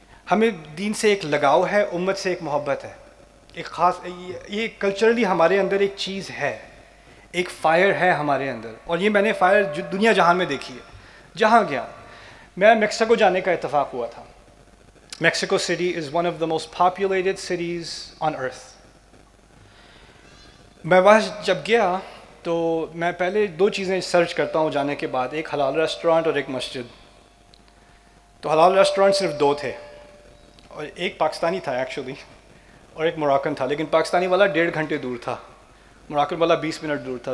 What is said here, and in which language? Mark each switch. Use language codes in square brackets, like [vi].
[ur] ہمیں دین سے ایک لگاؤ ہے, امت سے ایک محبت ہے, ایک خاص, یہ کلچرلی ہمارے اندر ایک چیز ہے, ایک فائر ہے ہمارے اندر. اور یہ میں نے فائر دنیا جہان میں دیکھی ہے, جہاں گیا. میں میکسیکو جانے کا اتفاق ہوا تھا. [en] Mexico City is one of the most populated cities on earth. [ur] میں وہاں جب گیا تو میں پہلے دو چیزیں سرچ کرتا ہوں جانے کے بعد, ایک حلال ریسٹورانٹ اور ایک مسجد. تو حلال ریسٹورانٹ صرف دو تھے, اور ایک پاکستانی تھا ایکچولی, اور ایک موراکن تھا, لیکن پاکستانی والا 1.5 گھنٹے دور تھا, موراکن والا 20 منٹ دور تھا.